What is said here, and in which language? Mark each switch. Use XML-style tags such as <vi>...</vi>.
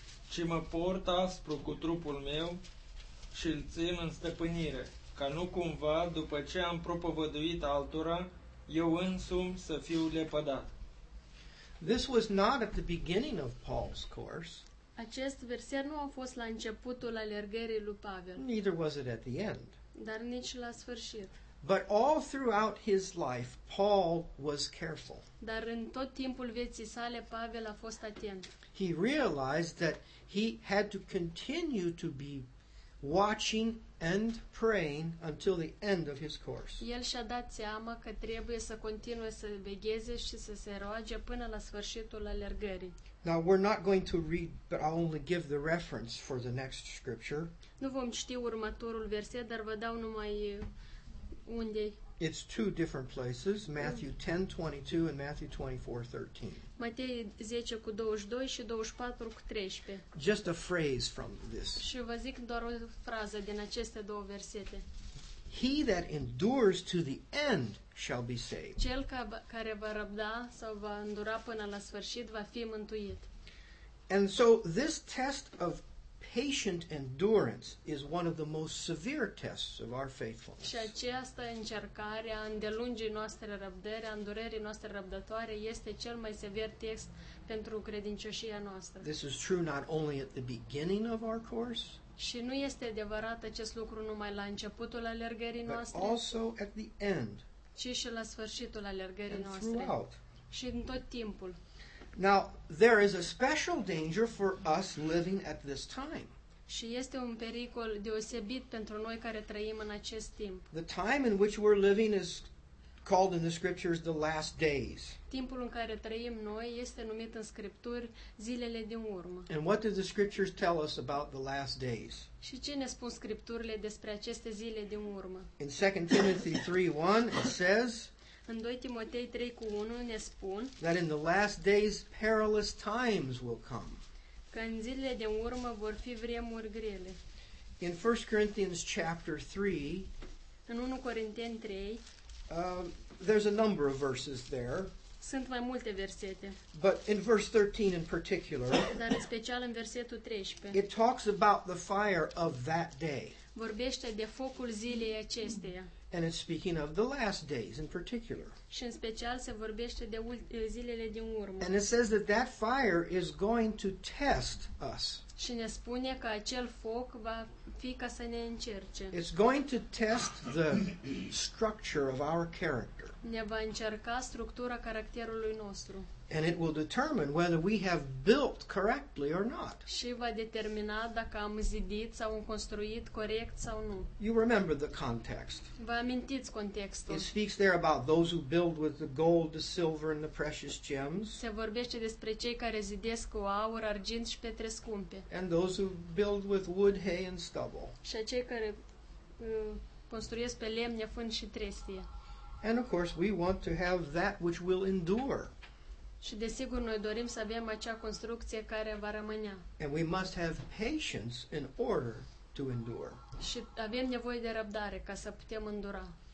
<ro>Ci mă port aspru cu trupul meu și îl țin în stăpânire, ca nu cumva, după ce am propovăduit altora, eu însumi să fiu lepădat.</ro> <en>This was not at the beginning of Paul's course.</en> <ro>Acest verset nu a fost la începutul alergării lui Pavel.</ro> <en>Neither was it at the end.</en> <ro>Dar nici la sfârșit.</ro> <en>But all throughout his life, Paul was careful.</en> <ro>Dar în tot timpul vieții sale, Pavel a fost atent.</ro> <en>He realized that he had to continue to be watching and praying until the end of his course.</en> <ro>El și-a dat seama că trebuie să continue să vegheze și să se roage până la sfârșitul alergării.</ro> <en>Now we're not going to read, but I'll only give the reference for the next scripture.</en> <ro>Nu vom citi următorul verset, dar vă dau numai unde.</ro> <en>It's two different places, Matthew 10:22 and Matthew 24:13.</en> <ro>Matei 10:22 și 24:13.</ro> <en>Just a phrase from this.</en> <ro>Și vă zic doar o frază din aceste două versete.</ro> <en>He that endures to the end shall be saved.</en> <ro>Cel care va răbda sau va îndura până la sfârșit va fi mântuit.</ro> <en>And so this test of patient endurance is one of the most severe tests of our faithfulness.</en> <ro>Și această încercare a îndelungii noastre răbdări, a îndurerii noastre răbdătoare este cel mai sever test pentru credincioșia noastră.</ro> <en>This is true not only at the beginning of our course.</en> <ro>Și nu este adevărat acest lucru numai la începutul alergării noastre.</ro> <en>But also at the end.</en> <ro>Ci și la sfârșitul alergării</ro> <en>and</en> <ro>noastre.</ro> <en>Throughout.</en> <ro>și în tot timpul.</ro> <en>Now, there is a special danger for us living at this time.</en> <ro>Și este un pericol deosebit pentru noi care trăim în acest timp.</ro> <en>The time in which we're living is called in the scriptures the last days.</en> <ro>Timpul în care trăim noi este numit în scripturi zilele din urmă.</ro> <en>And what do the scriptures tell us about the last days?</en> <ro>Și ce ne spun scripturile despre aceste zile din urmă?</ro> <en>In 2 Timothy 3:1 it says,</en> <ro>în 2 Timotei 3:1 ne spun,</ro> <en>that in the last days perilous times will come.</en> <ro>Că în zilele din urmă vor fi vremuri grele.</ro> <en>In 1 Corinthians chapter 3,</en> <ro>în 1 Corinteni 3,</ro> <en>There's a number of verses there.</en> <ro>Sunt mai multe versete.</ro> <en>But in verse 13 in particular,</en> <ro>dar în special în versetul 13,</ro> <en>it talks about the fire of that day.</en> <ro>Vorbește de focul zilei acesteia.</ro> <en>And it's speaking of the last days in particular.</en> <ro>Și în special se vorbește de zilele din urmă.</ro> <en>And it says that that fire is going to test us.</en> <ro>Și ne spune că acel foc va fi ca să ne încerce.</ro> <en>It's going to test the structure of our character.</en> <ro>Ne va încerca structura caracterului nostru.</ro> <en>And it will determine whether we have built correctly or not.</en> <ro>Și va determina dacă am zidit sau am construit corect sau nu.</ro> <en>You remember the context.</en> <ro>Vă amintiți contextul.</ro> <en>It speaks there about those who build with the gold, the silver and the precious gems.</en> <ro>Se vorbește despre cei care zidesc cu aur, argint și pietre scumpe.</ro> <en>And those who build with wood, hay and stubble.</en> <ro>Și cei care construiesc pe lemne, fân și trestie.</ro> <en>And of course we want to have that which will endure.</en> <ro>Și desigur noi dorim să avem acea construcție care va rămâne.</ro> <en>And we must have patience in order to endure.</en> <ro>Și avem nevoie de răbdare ca să putem îndura.</ro>